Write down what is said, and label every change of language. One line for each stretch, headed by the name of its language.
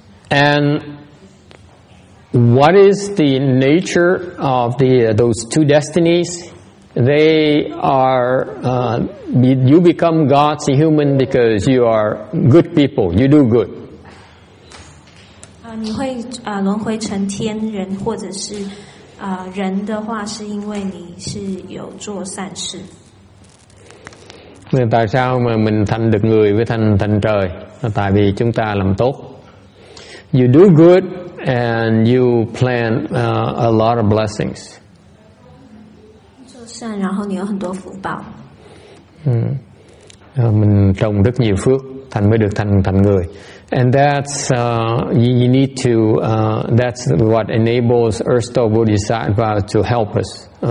English: And what is the nature of those two destinies? They are you become gods and human because you are good people. You do good.
Chinese: 你会轮回成天人或者是人的话，是因为你是有做善事。
Vietnamese: Nên tại sao mà mình thành được người với thành trời? Tại vì chúng ta làm tốt.
English: You do good and you plant a lot of blessings.
Chinese: 做善，然后你有很多福报。
Vietnamese: Mình trồng rất nhiều phước, thành mới được thành người.
English: And that's you need to. That's what enables Erso Bodhisattva to help us.